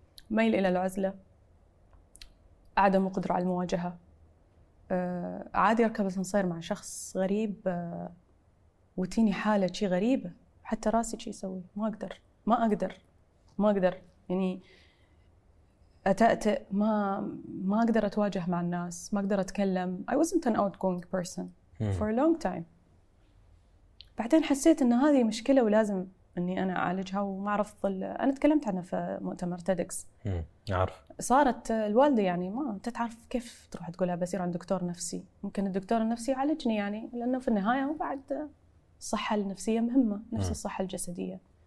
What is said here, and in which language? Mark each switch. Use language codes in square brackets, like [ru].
[ar] ميل إلى العزلة، عدم القدرة على المواجهة، عادي أركب الأسانسير مع شخص غريب وتيني حالة شي غريبة حتى راسي شي يسوي ما أقدر يعني أتأتأ، ما أقدر أتواجه مع الناس، ما أقدر أتكلم. [en] I wasn't an outgoing person for a long time. [ar] بعدين حسيت ان هذه مشكلة ولازم اني انا اعالجها. وما عرفت انا تكلمت عنها في مؤتمر تيدكس. عارف صارت الوالدة يعني ما تتعرف كيف تروح تقولها بسير عن دكتور نفسي، ممكن الدكتور النفسي يعالجني يعني، لانه في النهاية هو بعد الصحة النفسية مهمة نفس الصحة الجسدية.